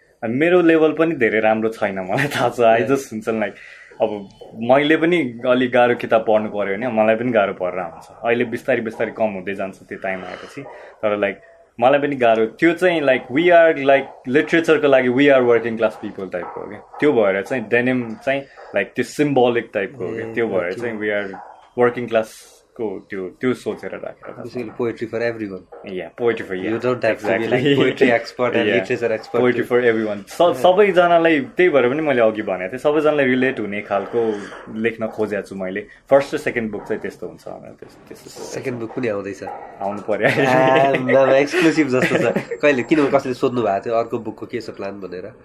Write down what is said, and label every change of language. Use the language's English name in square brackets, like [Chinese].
[Nepali] अनि मेरो लेभल पनि धेरै राम्रो छैन मलाई थाहा छ, आई जस्ट हुन्छ लाइक अब मैले पनि अलि गाह्रो किताब पढ्नु पऱ्यो भने मलाई पनि गाह्रो परेर हुन्छ, अहिले बिस्तारै बिस्तारै कम हुँदै जान्छ त्यो टाइम आएपछि, तर लाइक मलाई पनि गाह्रो त्यो चाहिँ लाइक वी आर लाइक लिटरेचरको लागि [English] we are working class people [Nepali] टाइपको हो कि, त्यो भएर चाहिँ डेनिम चाहिँ लाइक त्यो सिम्बोलिक टाइपको हो कि, त्यो भएर चाहिँ [English] we are working class [Nepali] त्यो सोचेर राखेर [English] Poetry for every one, poetry for you don't have to be like poetry expert and literature expert, poetry for every one. [Nepali] सबैजनालाई त्यही भएर पनि मैले अघि भनेको थिएँ, सबैजनालाई रिलेट हुने खालको लेख्न खोजेको छु मैले. फर्स्ट र सेकेन्ड बुक चाहिँ त्यस्तो हुन्छ, सेकेन्ड बुक पनि आउँदैछ, आउनु पर्यो एक्सक्लुसिभ जस्तो छ. कहिले किनभने कसैले सोध्नु भएको थियो अर्को बुकको के छ प्लान भनेर?